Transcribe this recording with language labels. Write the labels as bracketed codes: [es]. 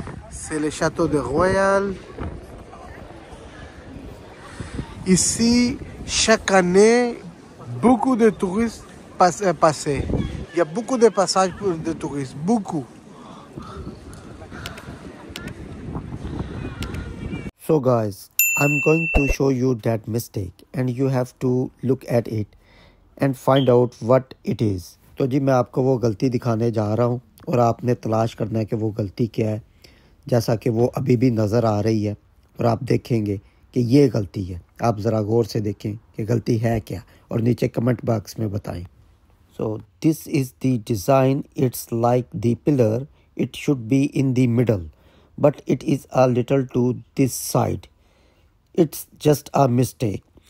[fr] C'est le château de Royal. Ici, chaque année, beaucoup de touristes passent. Il y a beaucoup de passages pour des touristes, beaucoup. [en] So guys, I'm going to show you that mistake and you have to look at it and find out what it is. [hi] तो जी मैं आपको वो गलती दिखाने जा रहा हूँ और आपने तलाश करना है कि वो गलती क्या है, जैसा कि वो अभी भी नज़र आ रही है, और आप देखेंगे कि ये गलती है। आप ज़रा गौर से देखें कि गलती है क्या, और नीचे कमेंट बॉक्स में बताएं। [en] So this is the design, it's like the pillar, it should be in the middle, but it is a little to this side, it's just a mistake.